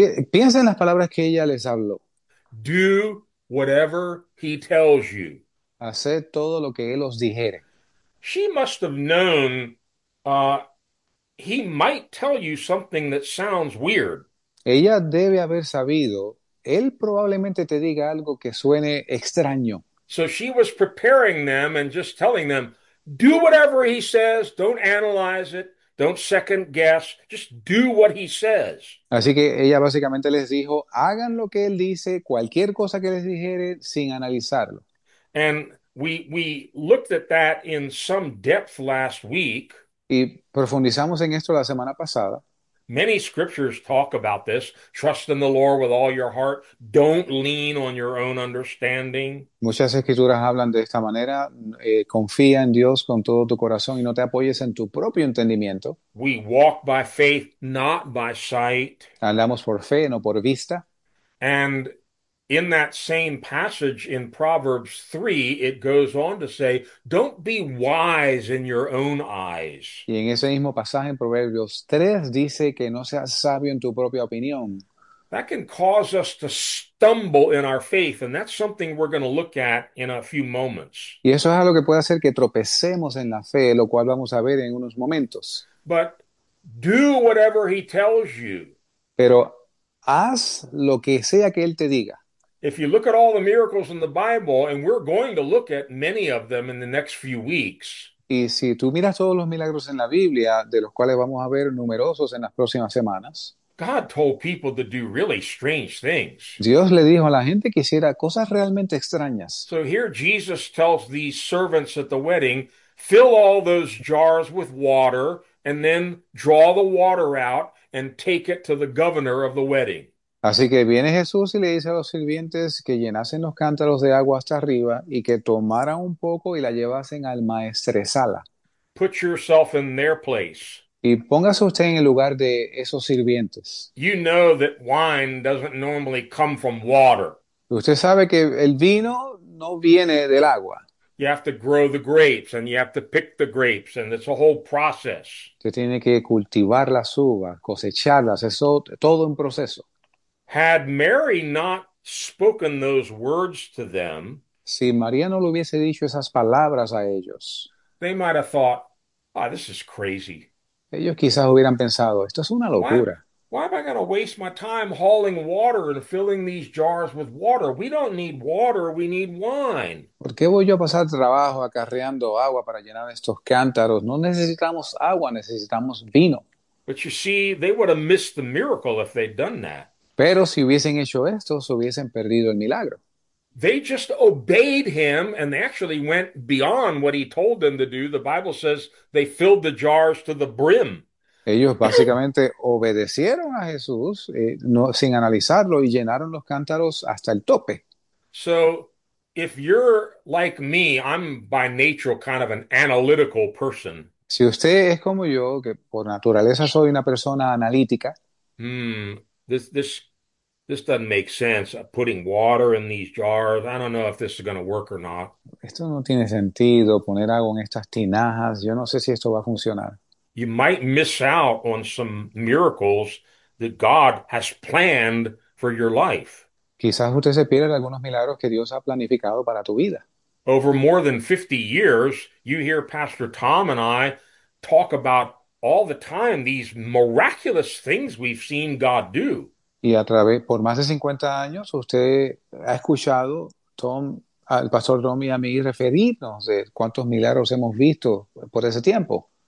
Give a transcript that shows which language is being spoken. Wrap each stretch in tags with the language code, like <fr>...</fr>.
<es>Piensa en las palabras que ella les habló.</es> <en>Do whatever he tells you.</en> <es>Haced todo lo que él os dijere.</es> <en>She must have known he might tell you something that sounds weird.</en> <es>Ella debe haber sabido, él probablemente te diga algo que suene extraño.</es> <en>So she was preparing them and just telling them, do whatever he says, don't analyze it, don't second guess, just do what he says.</en> <es>Así que ella básicamente les dijo, hagan lo que él dice, cualquier cosa que les dijere, sin analizarlo.</es> <en>And we looked at that in some depth last week.</en> <es>Y profundizamos en esto la semana pasada.</es> <en>Many scriptures talk about this. Trust in the Lord with all your heart. Don't lean on your own understanding.</en> <es>Muchas escrituras hablan de esta manera. Confía en Dios con todo tu corazón y no te apoyes en tu propio entendimiento.</es> <en>We walk by faith, not by sight.</en> <es>Andamos por fe, no por vista.</es> <en>And in that same passage in Proverbs 3, it goes on to say, don't be wise in your own eyes.</en> <es>Y en ese mismo pasaje en Proverbios 3 dice que no seas sabio en tu propia opinión.</es> <en>That can cause us to stumble in our faith, and that's something we're going to look at in a few moments.</en> <es>Y eso es algo que puede hacer que tropecemos en la fe, lo cual vamos a ver en unos momentos.</es> <en>But do whatever he tells you.</en> <es>Pero haz lo que sea que él te diga.</es> <en>If you look at all the miracles in the Bible, and we're going to look at many of them in the next few weeks.</en> <es>Y si tú miras todos los milagros en la Biblia, de los cuales vamos a ver numerosos en las próximas semanas.</es> <en>God told people to do really strange things.</en> <es>Dios le dijo a la gente que hiciera cosas realmente extrañas.</es> <en>So here Jesus tells these servants at the wedding, fill all those jars with water, and then draw the water out and take it to the governor of the wedding.</en> <es>Así que viene Jesús y le dice a los sirvientes que llenasen los cántaros de agua hasta arriba y que tomaran un poco y la llevasen al maestresala.</es> <en>Put yourself in their place.</en> <es>Y póngase usted en el lugar de esos sirvientes.</es> <en>You know that wine doesn't normally come from water.</en> <es>Usted sabe que el vino no viene del agua.</es> <en>You have to grow the grapes and you have to pick the grapes and it's a whole process.</en> <es>Usted tiene que cultivar las uvas, cosecharlas, eso todo un proceso.</es> <en>Had Mary not spoken those words to them,</en> <es>si María no le hubiese dicho esas palabras a ellos,</es> <en>they might have thought, oh, this is crazy.</en> <es>Ellos quizás hubieran pensado, esto es una locura.</es> <en>Why am I going to waste my time hauling water and filling these jars with water? We don't need water, we need wine.</en> <es>¿Por qué voy yo a pasar trabajo acarreando agua para llenar estos cántaros? No necesitamos agua, necesitamos vino.</es> <en>But you see, they would have missed the miracle if they'd done that.</en> <es>Pero si hubiesen hecho esto, se hubiesen perdido el milagro.</es> <en>They just obeyed him and they actually went beyond what he told them to do. The Bible says they filled the jars to the brim.</en> <es>Ellos básicamente obedecieron a Jesús sin analizarlo y llenaron los cántaros hasta el tope.</es> <en>So, if you're like me, I'm by nature kind of an analytical person.</en> <es>Si usted es como yo, que por naturaleza soy una persona analítica.</es> <en>This doesn't make sense, putting water in these jars. I don't know if this is going to work or not.</en> <es>Esto no tiene sentido, poner agua en estas tinajas. Yo no sé si esto va a funcionar.</es> <en>You might miss out on some miracles that God has planned for your life.</en> <es>Quizás usted se pierda algunos milagros que Dios ha planificado para tu vida.</es> <en>Over more than 50 years, you hear Pastor Tom and I talk about all the time these miraculous things we've seen God do.</en> <es>Y a través, por más de 50 años, usted ha escuchado al pastor Tom y a mí referirnos de cuántos milagros hemos visto por ese tiempo.</es>